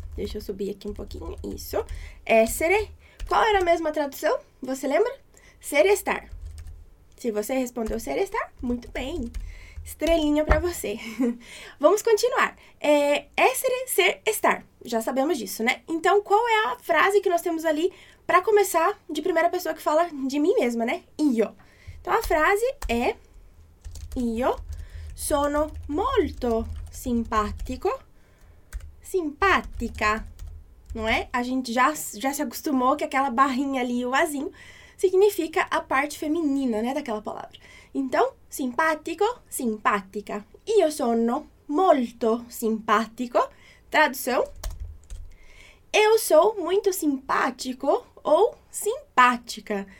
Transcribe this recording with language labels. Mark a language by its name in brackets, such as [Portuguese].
[Portuguese] Deixa eu subir aqui um pouquinho. Isso. Essere. Qual era a mesma tradução? Você lembra? Ser e estar. Se você respondeu ser e estar, muito bem. Estrelinha para você. Vamos continuar. Essere, ser, estar. Já sabemos disso, né? Então, qual é a frase que nós temos ali para começar de primeira pessoa que fala de mim mesma, né? [Italian] Io. [Portuguese] Então, a frase é: [Italian] Io sono molto simpatico. [Portuguese] Simpática, não é? A gente já se acostumou que aquela barrinha ali, o azinho, significa a parte feminina, né, daquela palavra. Então, simpático, simpática. [Italian] Io sono molto simpático. [Portuguese] Tradução: eu sou muito simpático ou simpática.